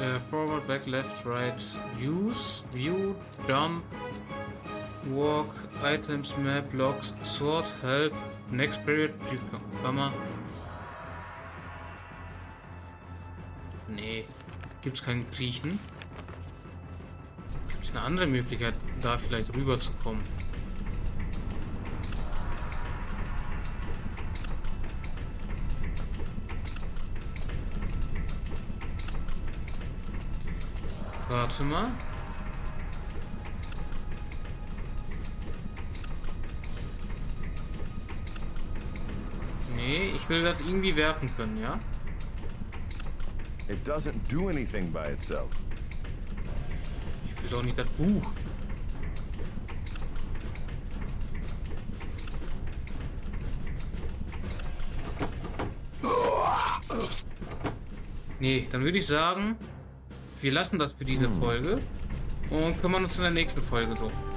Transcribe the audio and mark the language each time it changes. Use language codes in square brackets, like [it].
[en] Forward, back, left, right, use, view, jump, walk, items, map, locks, sword, health, next period, comma. [de] Nee, gibt's kein Kriechen. Gibt's eine andere Möglichkeit, da vielleicht rüberzukommen? Warte mal. Nee, ich will das irgendwie werfen können, ja? [en] It doesn't do anything by itself. [de] Ich will doch nicht das Buch. Nee, dann würde ich sagen, wir lassen das für diese Folge und kümmern uns in der nächsten Folge drum.